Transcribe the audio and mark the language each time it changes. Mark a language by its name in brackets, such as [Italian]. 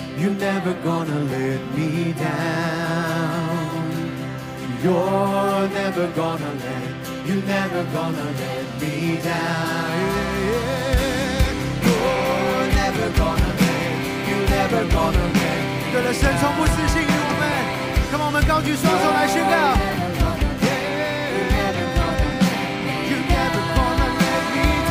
[English] You're never gonna let me down. You're never gonna let. You're never gonna let me down. You're never gonna let. You're never gonna let me down. [Chinese] 对了，神从不失信于我们，那么我们高举双手来宣告。 [English] You never gonna let me down. You never gonna let me